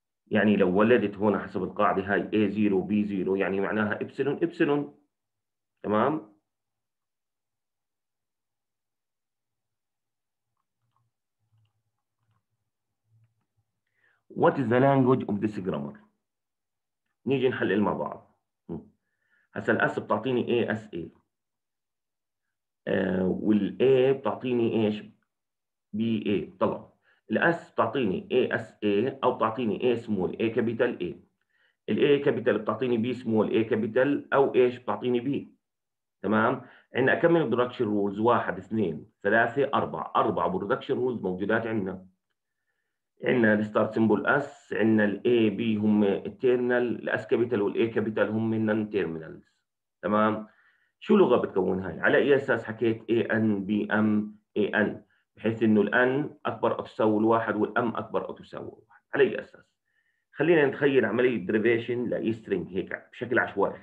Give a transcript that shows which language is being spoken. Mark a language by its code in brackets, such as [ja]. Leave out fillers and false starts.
[ar] يعني لو ولدت هون حسب القاعدة هاي A0 B0 يعني معناها إبسلون إبسلون. تمام؟ [en] What is the language of this grammar؟ [ar] نيجي نحلل مع بعض. هسا الاس بتعطيني A S A، وال A بتعطيني ايش؟ B A. طلع الاس بتعطيني A S A او بتعطيني A small A capital A. ال A capital بتعطيني B small A capital او ايش؟ بتعطيني B. تمام؟ عندنا كم من برودكشن رولز؟ واحد اثنين ثلاثة أربعة، أربعة برودكشن رولز موجودات عندنا. عندنا الستارت سيمبل اس، عندنا الاي بي هم التيرمينال، الاس كابيتال والاي كابيتال هم النون تيرمينالز. تمام؟ شو لغه بتكون هاي؟ على اي اساس حكيت اي ان بي ام اي ان؟ بحيث انه الان اكبر او تساوي الواحد والام اكبر او تساوي الواحد، على اي اساس؟ خلينا نتخيل عمليه دريفيشن لاي سترينج هيك بشكل عشوائي.